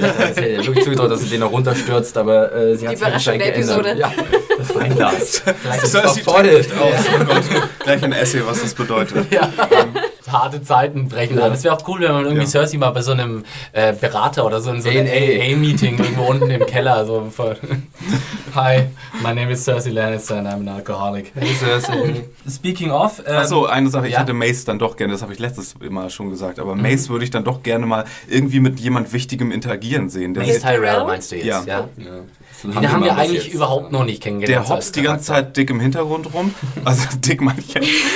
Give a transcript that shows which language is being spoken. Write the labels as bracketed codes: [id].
[de] Ich hätte wirklich zugetraut, dass sie den noch runterstürzt, aber sie hat sich anscheinend geändert. Ja, das Weinglas. Cersei trägt aus. Gleich ein Essay, was das bedeutet. Ja. Harte Zeiten brechen an. Es wäre auch cool, wenn man irgendwie Cersei mal bei so einem Berater oder so in so einem AA-Meeting irgendwo unten im Keller so voll. [en] Hi, my name is Cersei Lannister and I'm an alcoholic. Hey Cersei. Speaking of... [de] Achso, eine Sache, ich hätte Mace dann doch gerne, das habe ich letztes Mal schon gesagt, aber Mace würde ich dann doch gerne mal irgendwie mit jemand Wichtigem interagieren sehen. Mace Tyrell meinst du jetzt? Ja. Den haben wir eigentlich jetzt überhaupt noch nicht kennengelernt. Der hopst die ganze Zeit dick im Hintergrund rum. Also dick meine ich jetzt.